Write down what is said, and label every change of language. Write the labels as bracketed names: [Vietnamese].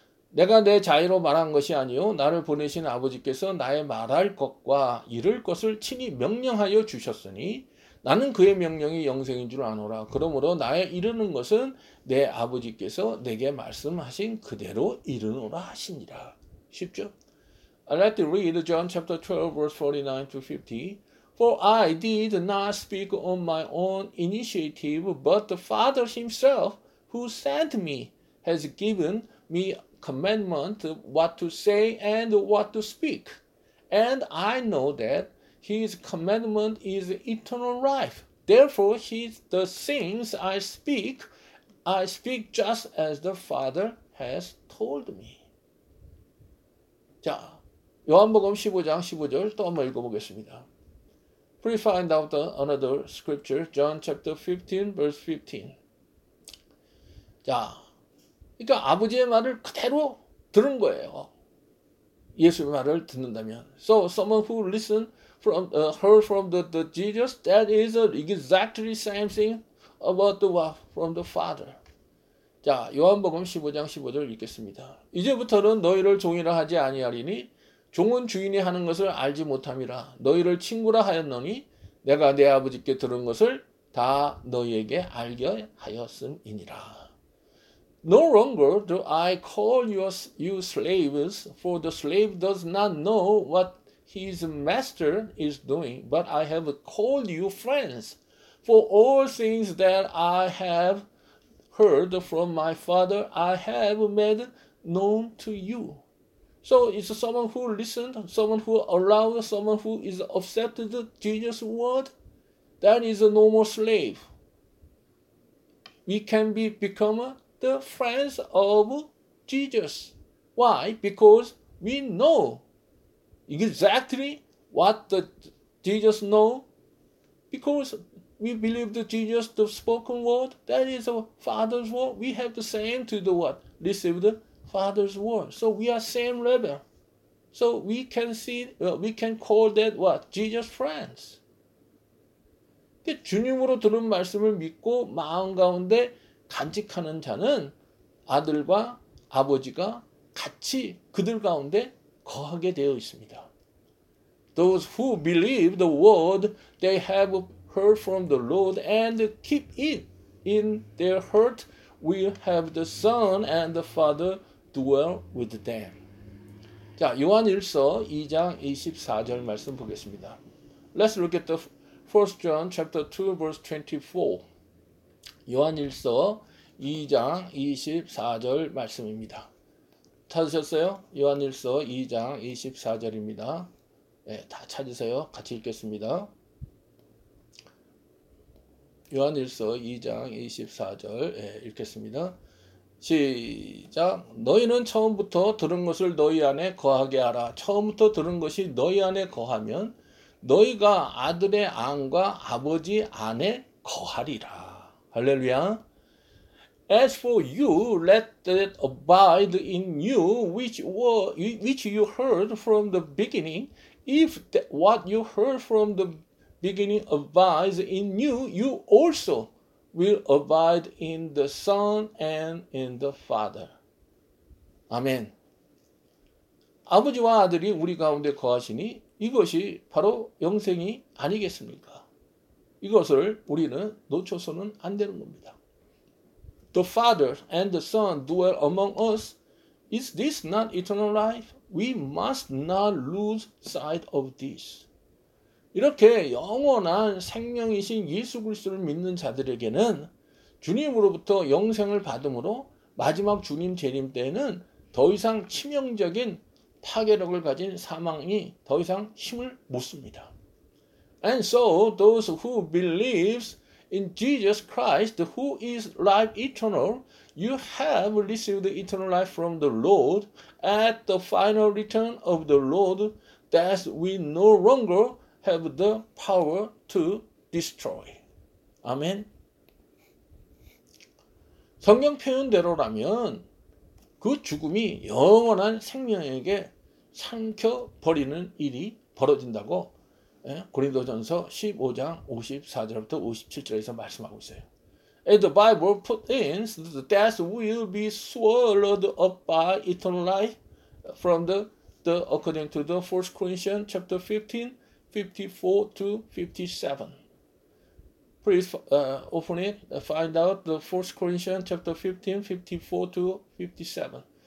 [Korean] 내가 내 자유로 말한 것이 아니오. 나를 보내신 아버지께서 나의 말할 것과 이룰 것을 친히 명령하여 주셨으니 나는 그의 명령이 영생인 줄 아노라. 그러므로 나의 이르는 것은 내 아버지께서 내게 말씀하신 그대로 이르노라 하시니라. 쉽죠? [English] I'd like to read John chapter 12 verse 49 to 50. For I did not speak on my own initiative, but the Father himself who sent me has given me commandment what to say and what to speak. And I know that His commandment is eternal life. Therefore, the things I speak just as the Father has told me. 자, [Korean] 요한복음 15장 15절 또 한번 읽어보겠습니다. [English] Please find out another scripture, John chapter 15, verse 15. [Korean] 자, 그러니까 아버지의 말을 그대로 들은 거예요. 예수의 말을 듣는다면. [English] So someone who listened from, heard from the Jesus, that is exactly the same thing about the what from the Father. 자, 요한복음 15장 15절 읽겠습니다. 이제부터는 너희를 종이라 하지 아니하리니 종은 주인이 하는 것을 알지 못함이라. 너희를 친구라 하였노니 내가 내 아버지께 들은 것을 다 너희에게 알게 하였음이니라. No longer do I call you slaves, for the slave does not know what his master is doing, but I have called you friends, for all things that I have heard from my father, I have made known to you. So it's someone who listened, someone who allowed, someone who is accepted Jesus' word, that is a normal slave. We can become the friends of Jesus. Why? Because we know exactly what the Jesus know, because we believe the Jesus, the spoken word, that is a Father's word. We have the same to the what? Received the Father's word. So we are same level. So we can see, we can call that what? Jesus friends. [Korean] 주님으로 들은 말씀을 믿고 마음 가운데 간직하는 자는 아들과 아버지가 같이 그들 가운데 거하게 되어 있습니다. [English] Those who believe the word they have heard from the Lord and keep it in their heart will have the Son and the Father dwell with them. [Korean] 자, 요한일서 2장 24절 말씀 보겠습니다. [English] Let's look at the 1 John chapter 2 verse 24. [Korean] 요한일서 2장 24절 말씀입니다. 찾으셨어요? 요한일서 2장 24절입니다. 네, 다 찾으세요. 같이 읽겠습니다. 요한일서 2장 24절 네, 읽겠습니다. 시작. 너희는 처음부터 들은 것을 너희 안에 거하게 하라. 처음부터 들은 것이 너희 안에 거하면 너희가 아들의 안과 아버지 안에 거하리라. 할렐루야. [English] As for you, let that abide in you, which you heard from the beginning. If that what you heard from the beginning abides in you, you also will abide in the Son and in the Father. Amen. [Korean] 아버지와 아들이 우리 가운데 거하시니 이것이 바로 영생이 아니겠습니까? 이것을 우리는 놓쳐서는 안 되는 겁니다. [English] The Father and the Son dwell among us. Is this not eternal life? We must not lose sight of this. [Korean] 이렇게 영원한 생명이신 예수 그리스도를 믿는 자들에게는 주님으로부터 영생을 받음으로 마지막 주님 재림 때에는 더 이상 치명적인 파괴력을 가진 사망이 더 이상 힘을 못 씁니다. [English] And so those who believes in Jesus Christ, who is life eternal, you have received the eternal life from the Lord at the final return of the Lord that we no longer have the power to destroy. Amen. [Korean] 성경 표현대로라면 그 죽음이 영원한 생명에게 삼켜 버리는 일이 벌어진다고 고린도전서 15장 54절부터 57절에서 말씀하고 있어요. [English] And the Bible put in the death will be swallowed up by eternal life from the according to the 1 Corinthians chapter 15, 54 to 57. Please open it, find out the 1 Corinthians chapter 15, 54 to 57.